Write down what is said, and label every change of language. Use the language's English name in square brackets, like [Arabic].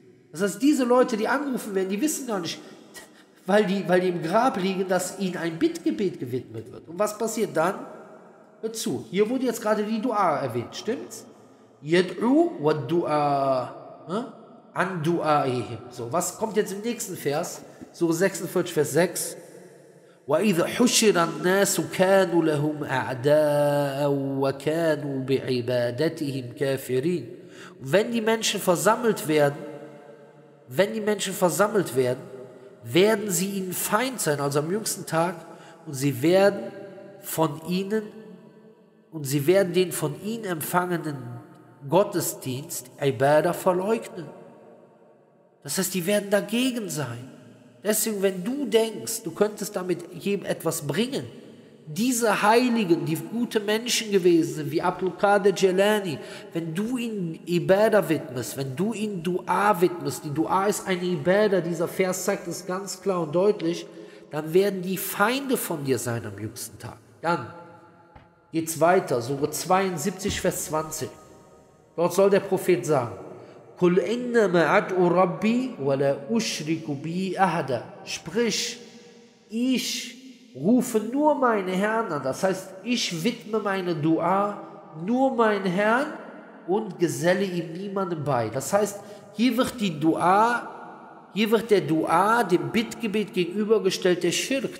[German] Das heißt, diese Leute, die angerufen werden, die wissen gar nicht, weil die im Grab liegen, dass ihnen ein Bittgebet gewidmet wird. Und was passiert dann? Hör zu, hier wurde jetzt gerade die Dua erwähnt, stimmt's? [Arabic] Yad'u wa du'a. An Dua'ihim. [German] So, was kommt jetzt im nächsten Vers? So 46, Vers 6. [Arabic] وإذا حشر الناس كانوا لهم أعداء وكانوا بعبادتهم كافرين. [German] Wenn die Menschen versammelt werden, wenn die Menschen versammelt werden, werden sie ihnen Feind sein, also am jüngsten Tag, und sie werden von ihnen und sie werden den von ihnen empfangenen Gottesdienst, Ibadah, verleugnen. Das heißt, die werden dagegen sein. Deswegen, wenn du denkst, du könntest damit jedem etwas bringen, diese Heiligen, die gute Menschen gewesen sind, wie Abdul Qadir Jilani, wenn du ihnen Ibadah widmest, wenn du ihnen Dua widmest, die Dua ist eine Ibadah, dieser Vers zeigt es ganz klar und deutlich, dann werden die Feinde von dir sein am jüngsten Tag. Dann geht's weiter, Sure 72, Vers 20. Dort soll der Prophet sagen, [Arabic] قُلْ إِنَّمَا أَدْعُ رَبِّي وَلَا أُشْرِكُ بِهِ أَحَدًا. [German] Sprich, ich rufe nur meinen Herrn an. Das heißt, ich widme meine Dua nur meinen Herrn und geselle ihm niemanden bei. Das heißt, hier wird der Dua dem Bittgebet gegenübergestellt, der Schirk.